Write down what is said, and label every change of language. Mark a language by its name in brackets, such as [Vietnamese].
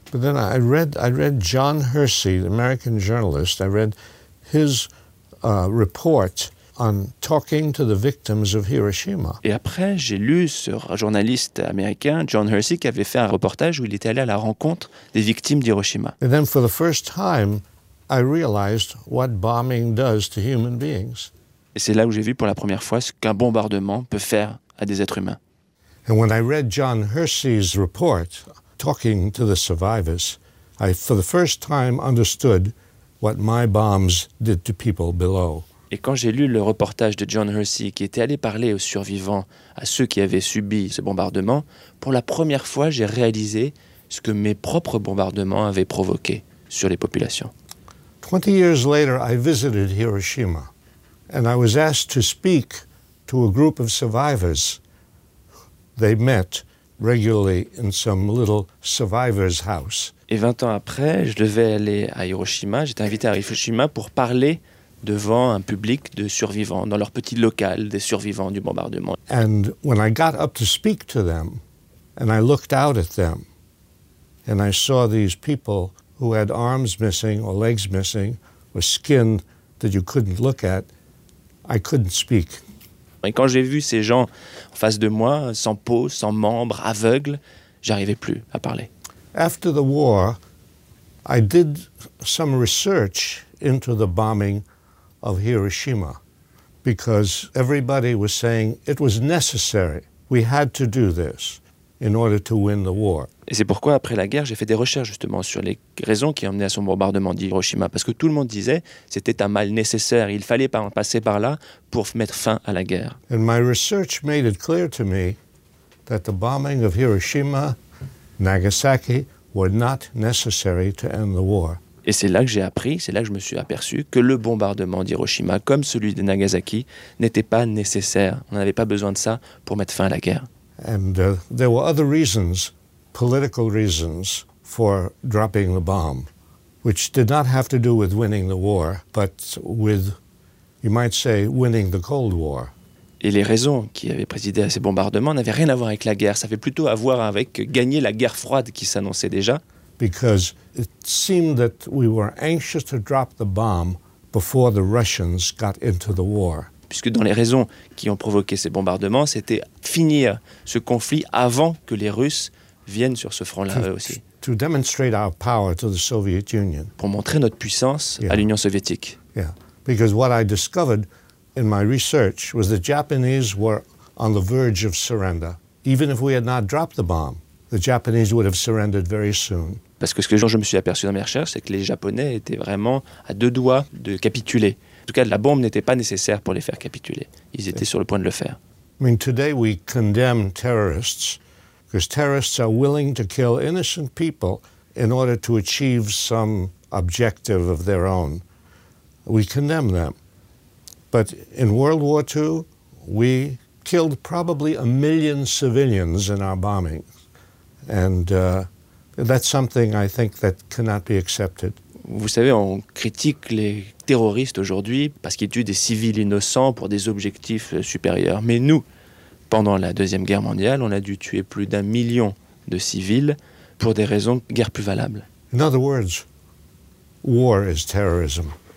[English] But then I read John Hersey, American journalist. I read his report on talking to the victims of Hiroshima. [French] Et après, j'ai lu sur un journaliste américain, John Hersey, qui avait fait un reportage où il était allé à la rencontre des victimes d'Hiroshima. [English] And then for the first time, I realized what bombing does to human beings. [French] Et c'est là où j'ai vu pour la première fois ce qu'un bombardement peut faire à des êtres humains. [English] And when I read John Hersey's report, talking to the survivors, I for the first time understood what my bombs did to people below. [French] Et quand j'ai lu le reportage de John Hersey qui était allé parler aux survivants, à ceux qui avaient subi ce bombardement, pour la première fois, j'ai réalisé ce que mes propres bombardements avaient provoqué sur les populations. [English] 20 years later, I visited Hiroshima and I was asked to speak to a group of survivors. They met regularly in some little survivor's house. [French] Et 20 ans après, je devais aller à Hiroshima, j'étais invité à Hiroshima pour parler devant un public de survivants, dans leur petit local, des survivants du bombardement. [English] And when I got up to speak to them, and I looked out at them, and I saw these people who had arms missing or legs missing, or skin that you couldn't look at, I couldn't speak. [French] Et quand j'ai vu ces gens en face de moi, sans peau, sans membres, aveugles, j'arrivais plus à parler. [English] After the war, I did some research into the bombing of Hiroshima, because everybody was saying it was necessary. We had to do this in order to win the war. [French] Et c'est pourquoi après la guerre, j'ai fait des recherches justement sur les raisons qui amenaient à son bombardement d'Hiroshima, parce que tout le monde disait c'était un mal nécessaire. Il fallait passer par là pour mettre fin à la guerre. [English] And my research made it clear to me that the bombing of Hiroshima, Nagasaki, were not necessary to end the war. [French] Et c'est là que j'ai appris, c'est là que je me suis aperçu que le bombardement d'Hiroshima, comme celui de Nagasaki, n'était pas nécessaire. On n'avait pas besoin de ça pour mettre fin à la guerre. [English] And there were other reasons, political reasons, for dropping the bomb, which did not have to do with winning the war, but with, you might say, winning the Cold War. [French] Et les raisons qui avaient présidé à ces bombardements n'avaient rien à voir avec la guerre. Ça avait plutôt à voir avec gagner la guerre froide qui s'annonçait déjà. [English] Because it seemed that we were anxious to drop the bomb before the Russians got into the war. [French] Puisque dans les raisons qui ont provoqué ces bombardements, c'était finir ce conflit avant que les Russes viennent sur ce front-là aussi. [English] To demonstrate our power to the Soviet Union. [French] Pour montrer notre puissance à l'Union soviétique. [English] Yeah, because what I discovered in my research was the Japanese were on the verge of surrender, even if we had not dropped the bomb. The Japanese would have surrendered very soon. [French] Parce que ce que je me suis aperçu dans mes recherches, c'est que les Japonais étaient vraiment à deux doigts de capituler. En tout cas, la bombe n'était pas nécessaire pour les faire capituler. Ils étaient sur le point de le faire. [English] I mean, today we condemn terrorists because terrorists are willing to kill innocent people in order to achieve some objective of their own. We condemn them. But in World War II, we killed probably a million civilians in our bombing. And that's something I think that cannot be accepted. [French] Vous savez, on critique les terroristes aujourd'hui parce qu'ils tuent des civils innocents pour des objectifs supérieurs. Mais nous, pendant la Deuxième Guerre mondiale, on a dû tuer plus d'un million de civils pour des raisons de guerre plus valables. [English] In other words, war is terrorism.